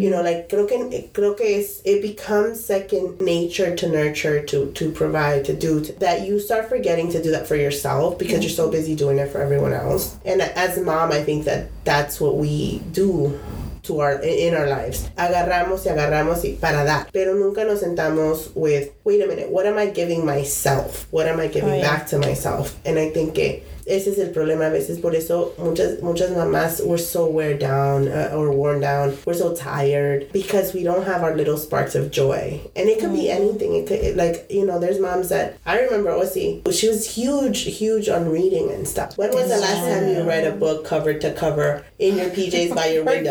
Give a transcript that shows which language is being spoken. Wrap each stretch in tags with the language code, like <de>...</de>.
<en>You know, like, it becomes second nature to nurture, to provide, to do, that you start forgetting to do that for yourself because you're so busy doing it for everyone else. And as a mom, I think that that's what we do to our, in our lives.</en> <es>Agarramos y para dar. Pero nunca nos sentamos</es> <en>with, wait a minute, what am I giving myself? What am I giving back to myself? And I think</en> <es>que ese es el problema a veces. Por eso muchas mamás</es> <en>were so wear down or worn down. We're so tired because we don't have our little sparks of joy. And it could be anything. It could, like, you know, there's moms that, I remember Ossie, she was huge, huge on reading and stuff. When was the last time you read a book cover to cover in your PJs by your window?</en>